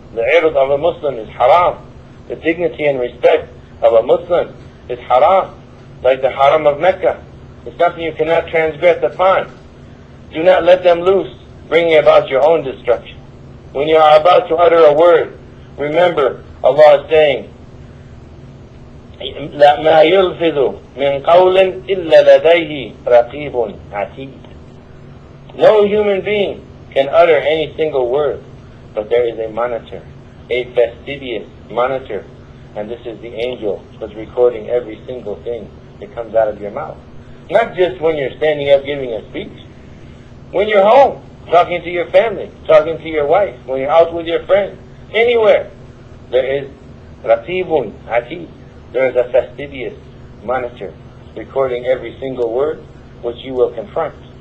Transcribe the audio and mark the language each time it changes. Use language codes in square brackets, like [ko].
[en] The irud of a Muslim is haram. The dignity and respect of a Muslim is haram, like the haram of Mecca. It's something you cannot transgress upon. Do not let them loose, bringing about your own destruction. When you are about to utter a word, remember Allah is saying, [ar] ما يلفظ من قول إلا لديه رقيب عتيد. [en] No human being can utter any single word, but there is a monitor, a fastidious monitor, and this is the angel that's recording every single thing that comes out of your mouth. Not just when you're standing up giving a speech, when you're home, talking to your family, talking to your wife, when you're out with your friends, anywhere, there is Ratibun Hatib, there is a fastidious monitor recording every single word which you will confront.